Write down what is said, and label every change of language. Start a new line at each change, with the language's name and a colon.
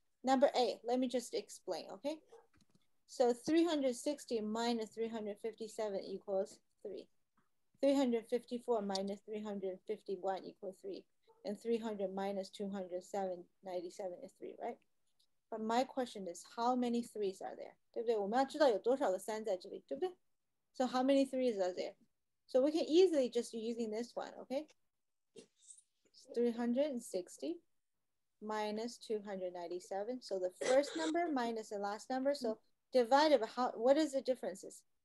English: Number A, let me just explain, okay? So 360 minus 357 equals 3. 354 minus 351 equals 3. And 300 minus 297 is 3, right? But my question is, how many 3s are there?
Chinese: 对不对？我们要知道有多少个3在这里，对不对？
English: So how many 3s are there? So we can easily just using this one, okay? 360 minus 297. So the first number minus the last number. So divided by how, what is the differences?